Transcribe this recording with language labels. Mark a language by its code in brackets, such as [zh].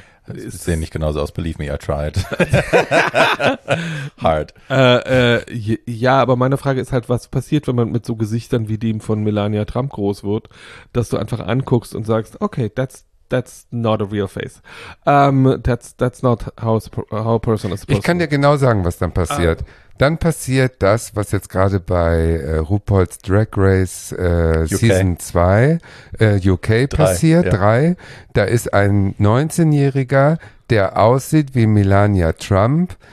[de] Sie sehen nicht genauso aus, [en] believe me, I tried. Hard. [de] Ja, aber meine Frage ist halt, was passiert, wenn man mit so Gesichtern wie dem von Melania Trump groß wird, dass du einfach anguckst und sagst, [en] okay, that's not a real face. That's not how a person is supposed to. [de] Ich kann dir genau sagen, was dann passiert. Dann passiert das, was jetzt gerade bei RuPaul's Drag Race Season 2 UK passiert, 3. Da ist ein 19-Jähriger, der aussieht wie Melania Trump.